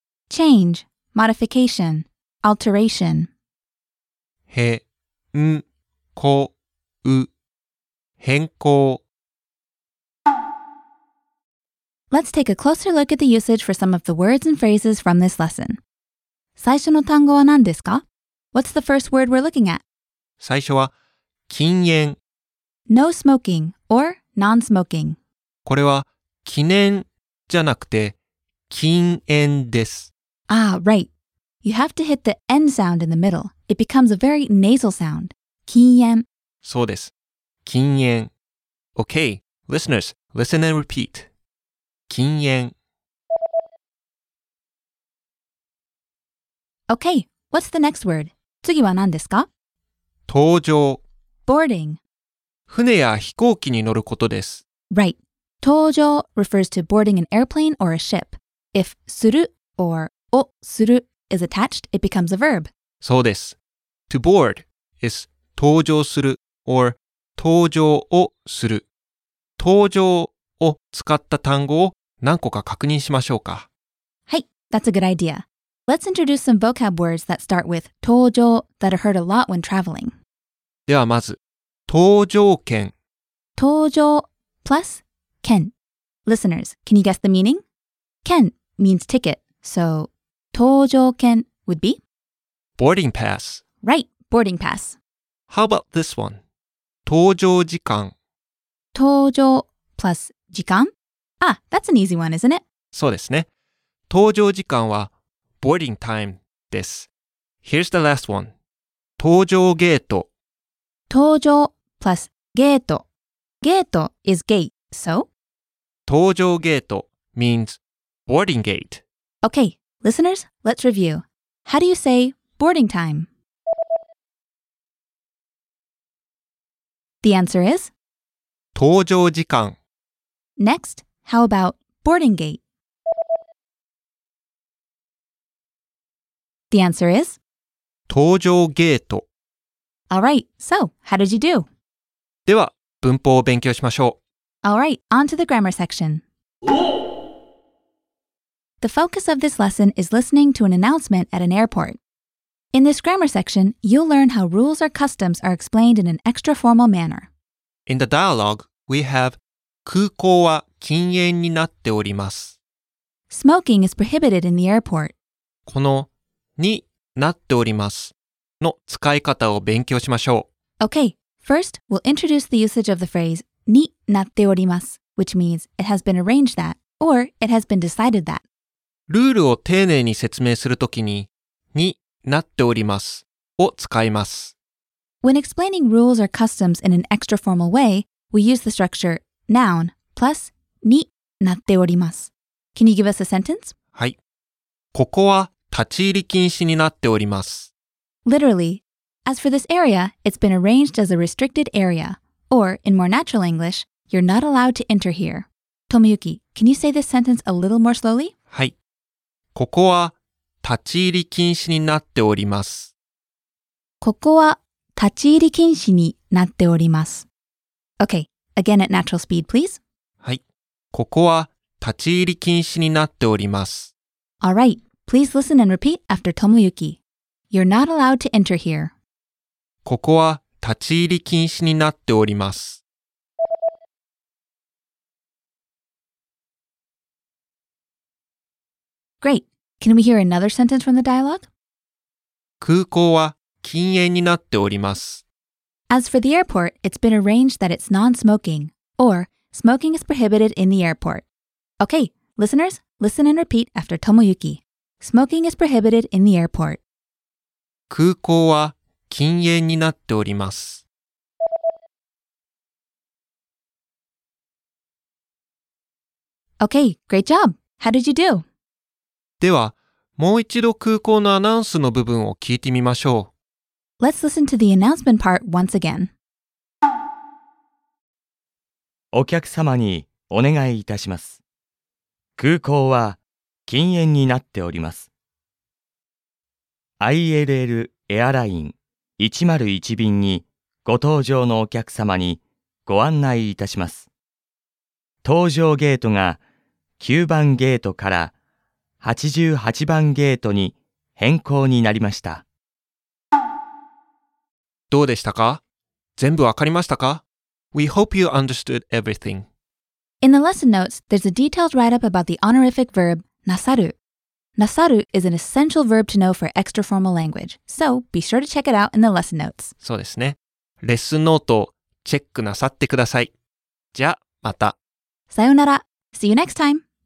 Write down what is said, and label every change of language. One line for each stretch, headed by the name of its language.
English: Change, modification, alteration
Japanese: 変更変更
English: Let's take a closer look at the usage for some of the words and phrases from this lesson.
Japanese: 最初の単語は何ですか?
English: What's the first word we're looking at?
Japanese: 最初は禁煙
English: No smoking or non-smoking.
Japanese: これは禁煙じゃなくて禁煙です。
English: Ah, right. You have to hit the N sound in the middle. It becomes a very nasal sound.
Japanese: 禁煙。そうです。禁煙。
English: Okay, listeners, listen and repeat. 禁煙。 Okay, what's the next word?
Japanese: 次は何ですか? 搭乗。
English: Boarding.
Japanese: 船や飛行機に乗ることです。
English: Right. 搭乗 refers to boarding an airplane or a ship. If する or をする is attached, it becomes a verb.
Japanese: そうです。
English: To board is 搭乗する or 搭乗をする。
Japanese: 搭乗を使った単語を何個か確認しましょうか。
English: はい、that's a good idea. Let's introduce some vocab words that start with 搭乗 that are heard a lot when traveling.
Japanese: ではまず、搭乗券。搭乗 plus 券。
English: Listeners, can you guess the meaning? 券 means ticket, so 搭乗券 would be? Boarding pass. Right, boarding pass. How about this one? 搭乗時間。
Japanese: 搭乗 plus 時間?
English: Ah, that's an easy one, isn't it?
Japanese: そうですね。搭乗時間は
English: boarding time
Japanese: です。
English: Here's the last one. 搭乗ゲート。
Japanese: 搭乗 plus ゲート。
English: ゲート is gate, so? 搭乗ゲート means boarding gate. Okay, listeners, let's review. How do you say boarding time? The answer is
Japanese: 搭乗時間
English: Next, how about boarding gate? The answer is
Japanese: 搭乗ゲート
English: Alright, so how did you do?
Japanese: では、文法を勉強しましょう
English: Alright, on to the grammar section The focus of this lesson is listening to an announcement at an airport In this grammar section, you'll learn how rules or customs are explained in an extra formal manner In the dialogue, we have
Japanese: 空港は禁煙になっております。
English: Smoking is prohibited in the airport.
Japanese: このになっておりますの使い方を勉強しましょう。
English: Okay, First, we'll introduce the usage of the phrase になっております, which means it has been arranged that or it has been decided that.
Japanese: ルールを丁寧に説明するときにになっておりますを使います。
English: When explaining rules or customs in an extra formal way, we use the structure noun plus になっております。 Can you give us a sentence?
Japanese: はい。ここは立ち入り禁止になっております。
English: Literally, as for this area, it's been arranged as a restricted area. Or, in more natural English, you're not allowed to enter here. Tomoyuki, can you say this sentence a little more slowly?
Japanese: はい。ここは立ち入り禁止になっております。ここは立ち入り禁止になっております。
English: Okay, again at natural speed, please.
Japanese: はい。ここは立ち入り禁止になっております。
English: All right, please listen and repeat after Tomoyuki. You're not allowed to enter here.
Japanese: ここは立ち入り禁止になっております。
English: Great. Can we hear another sentence from the dialogue?
Japanese: 空港は禁煙になっております。
English: As for the airport, it's been arranged that it's non-smoking, or smoking is prohibited in the airport. Okay, listeners, listen and repeat after Tomoyuki. Smoking is prohibited in the airport.
Japanese: 空港は禁煙になっております。
English: Okay, great job! How did you do?
Japanese: では、もう一度空港のアナウンスの部分を聞いてみましょう。
English: Let's listen to the announcement part once again.
Japanese: お客様にお願いいたします。空港は禁煙になっております。 ILL エアライン101便にご搭乗のお客様にご案内いたします。搭乗ゲートが9番ゲートから88番ゲートに変更になりました。どうでしたか？全部わかりましたか？
English: We hope you understood everything. In the lesson notes, there's a detailed write-up about the honorific verb なさる。 Nasaru is an essential verb to know for extra formal language, so be sure to check it out in the lesson notes.
Japanese: そうですね。レッスンノートをチェックなさってください。じゃあ、また。さよなら。
English: See you next time.